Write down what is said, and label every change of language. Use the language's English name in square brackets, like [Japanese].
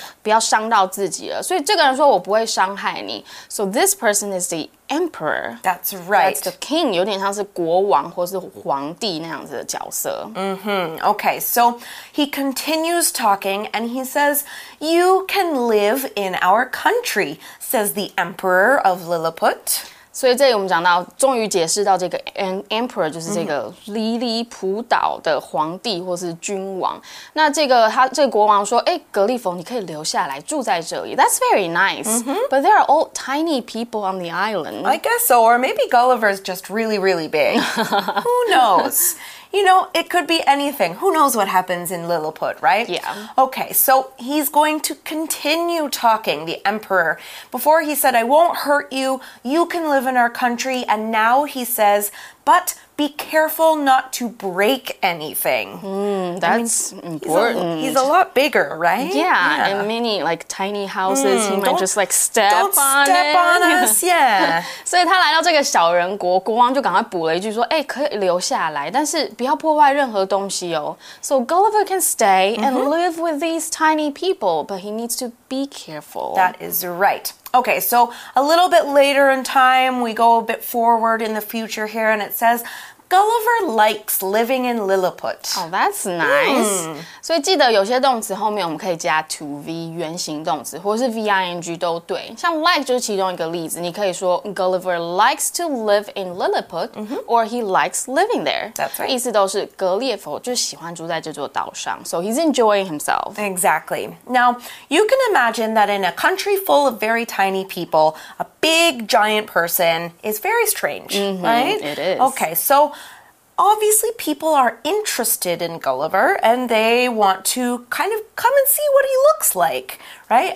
[Chinese] 不要伤到自己了。所以这个人说我不会伤害你。 [English] So this person is the emperor. That's right. That's the king. [Chinese] 有点像是国王或是皇帝那样子的角色。 [English] Okay, so he continues talking and he says... You can live in our country, says the emperor of Lilliput. [Chinese] 所以这里我们讲到终于解释到这个 emperor 就是这个离离普岛的皇帝或是君王。那这个他这个国王说诶格利佛你可以留下来住在这里。 [English] That's very nice. But there are all tiny people on the island. I guess so, or maybe Gulliver is just really, really big. Who knows? you know, it could be anything. Who knows what happens in Lilliput, right? Yeah. Okay, so he's going to continue talking, the emperor. Before he said, I won't hurt you, you can live in our country. And now he says, but be careful not to break anything. That's important. He's a lot bigger, right? Yeah, yeah. And many, like, tiny houses, he might just, like, step on us. Yeah. [Chinese] 所以他来到这个小人国，国王就赶快补了一句说，欸，可以留下来，但是不要破坏任何东西哦。 [English] So Gulliver can stay and live with these tiny people, but he needs to be careful. That is right. Okay, so a little bit later in time, we go a bit forward in the future here, and it says, Gulliver likes living in Lilliput. Oh, that's nice. So, [Chinese] 记得有些动词后面我们可以加 to V, 原形动词或是 V-I-N-G 都对。像 [English] like [Chinese] 就是其中一个例子。你可以说 [English] Gulliver likes to live in Lilliput, or he likes living there. That's right. [Chinese] 意思都是格列佛就喜欢住在这座岛上。 [English] So, he's enjoying himself. Exactly. Now, you can imagine that in a country full of very tiny people, a big giant person is very strange, right? It is. Okay, so obviously people are interested in Gulliver and they want to kind of come and see what he looks like, right?